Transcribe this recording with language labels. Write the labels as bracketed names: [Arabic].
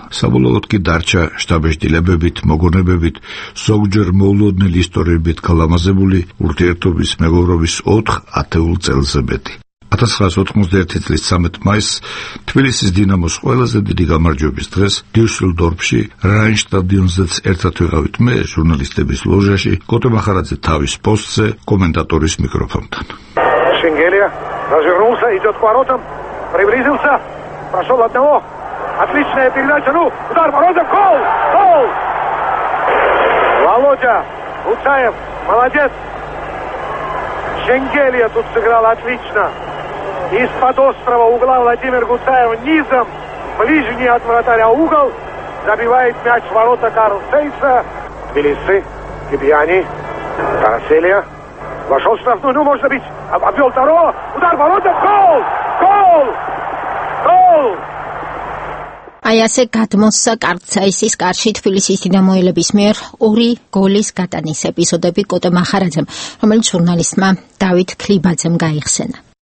[Georgian] საბოლოოდ კი დარჩა შტაბის დილებებით, მოგონებებით, ზოგჯერ მოულოდნელი ისტორიებით გალამაზებული ურთიერთობის მეგობრობის 4 ათეულ წელზე მეტი. 1991 წლის 13 მაისს თბილისის დინამოს ყველაზე დიდი გამარჯვების დღეს დიუსელდორფში რაინშტადიონზეც ერთად ვიღავით მე ჟურნალისტების ლოჟაში გოტე მახარაძე თავის პოსტზე კომენტატორის მიკროფონთან. [Russian] Шенгелия развернулся, идёт к воротам, приблизился, прошёл одного. Отличная передача, ну, удар ворота, гол! Гол! Володя Уцаев, молодец. Шенгелия тут сыграл отлично. Из-под острого угла Владимир Гуцаев низом, ближний от вратаря угол, забивает мяч в ворота Карл Сейса. Тбилиси, Кибьяни, Караселия. Вошел в штрафную, ну, может быть, обвел второго. Удар в ворота, гол! Гол! Гол! [Georgian] აი ასე გადმოსცა კარცაისის კარში თბილისის დინამოელების მიერ ორი გოლის გატანის ეპიზოდები კოტე მახარაძემ, რომელიც ჟურნალისტმა დავით ქლიბაძემ გაიხსენა.